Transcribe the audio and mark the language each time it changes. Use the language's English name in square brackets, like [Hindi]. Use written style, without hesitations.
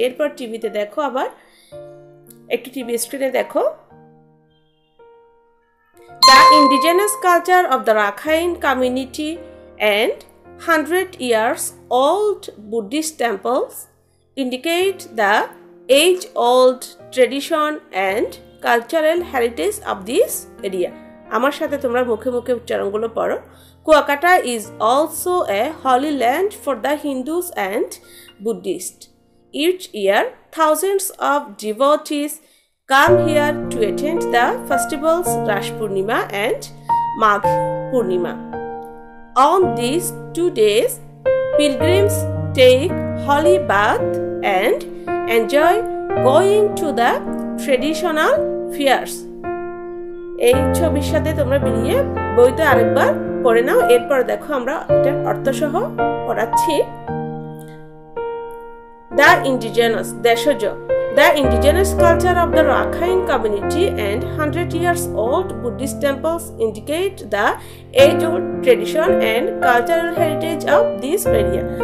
[Bangla] এরপর টিভিতে দেখো, আবার একটু টিভি স্ক্রিনে দেখো, [English] The indigenous culture of the Rakhine community and 100 years old Buddhist temples indicate the age old tradition and cultural heritage of this area. [Bangla] Amar sathe tumra mukhe mukhe uchcharon gulo poro. [English] Kuakata is also a holy land for the Hindus and Buddhists. Each year thousands of devotees come here to attend the festivals Rash Purnima and Magh Purnima. On these 2 days, pilgrims take holy bath and enjoy going to the traditional fairs. [Bangla] এই ছবির সাথে তোমরা মিলিয়ে বইতে আরেকবার পড়ে নাও। এরপর দেখো, আমরা এটার অর্থসহ পড়াচ্ছি। [English] The indigenous, দেশজ, the indigenous culture of the Rakhine community and 100 years old Buddhist temples indicate the age old tradition and cultural heritage of this area.